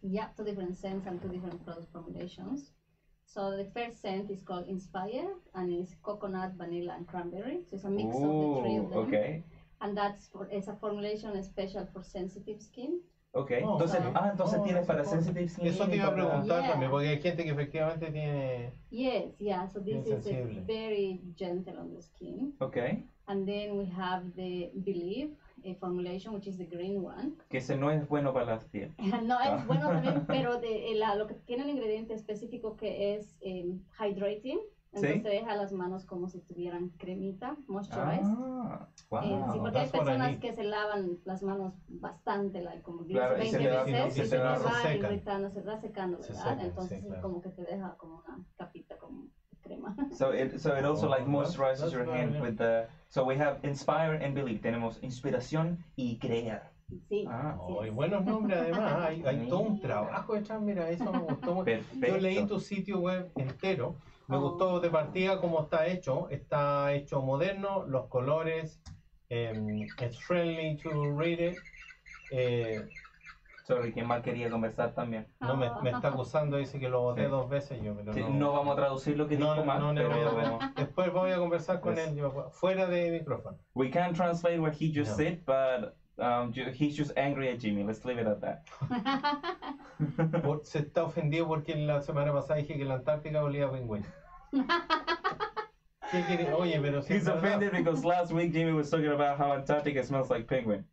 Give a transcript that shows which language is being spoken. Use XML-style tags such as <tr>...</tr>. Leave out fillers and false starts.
<en>Yeah, two different scents and two different product formulations. So the first scent is called Inspire and it's coconut, vanilla and cranberry. So it's a mix of the three of them. Okay. And it's a formulation special for sensitive skin.</en> <es>Okay. Oh, entonces tienes para</es> <en>sensitive skin.</en> <es>Eso te iba a preguntar también, porque hay gente que efectivamente tiene.</es> <en>Yes, yeah. So this is very gentle on the skin. Okay. And then we have the Believe formulation, which is the green one.</en> <es>Que ese no es bueno para la piel. No, es bueno también, pero lo que tiene el ingrediente específico que es hydrating. Entonces ¿sí? Deja las manos como si tuvieran cremita, moisturized. Ah, wow. Sí, porque hay personas que se lavan las manos bastante, como 10, claro, 20 veces, se va secando, ¿verdad? Se seca, entonces sí, claro. Como que te deja como una capita como crema.</es> <en>So it also moisturizes your hand with the. So we have Inspire and Believe.</en> <es>Tenemos inspiración y crear. Sí. Y buenos nombres además. Hay todo un trabajo detrás. Mira, eso me gustó. Perfecto. Yo leí tu sitio web entero. Me gustó de partida cómo está hecho. Está hecho moderno, los colores.</es> <en>It's friendly to read it.</en> <es>Sorry, ¿quién más quería conversar también? No, me está acusando, dice que lo voté dos veces yo, pero no. No vamos a traducir lo que dijo más. Después voy a conversar con él, fuera de micrófono.</es> <en>We can't translate what he just said, but he's just angry at Jimmy. Let's leave it at that.</en> <es>Se está ofendido porque la semana pasada dije que la Antártica olía a pingüino. Oye, pero si</es> <en>he's offended verdad. Because last week Jimmy was talking about how Antarctica smells like penguin.</en>